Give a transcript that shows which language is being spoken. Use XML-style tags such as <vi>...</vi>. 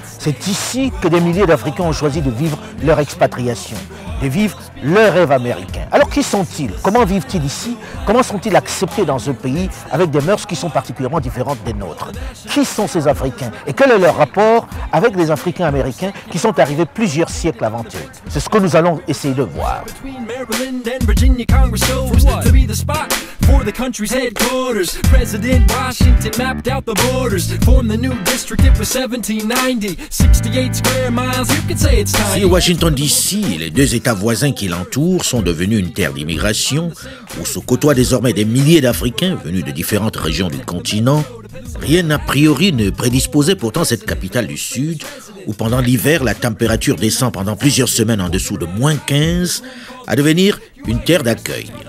<fr>C'est ici que des milliers d'Africains ont choisi de vivre leur expatriation, de vivre leur rêve américain. Alors qui sont-ils? Comment vivent-ils ici? Comment sont-ils acceptés dans un pays avec des mœurs qui sont particulièrement différentes des nôtres? Qui sont ces Africains? Et quel est leur rapport avec les Africains américains qui sont arrivés plusieurs siècles avant eux? C'est ce que nous allons essayer de voir.</fr> <en>For the country's headquarters, President Washington mapped out the borders, formed the new district, it was 1790, 68 square miles, you can say it's time.</en> <fr>Si Washington D.C. et les deux États voisins qui l'entourent sont devenus une terre d'immigration, où se côtoient désormais des milliers d'Africains venus de différentes régions du continent, rien a priori ne prédisposait pourtant cette capitale du Sud, où pendant l'hiver la température descend pendant plusieurs semaines en dessous de moins 15, à devenir une terre d'accueil.</fr>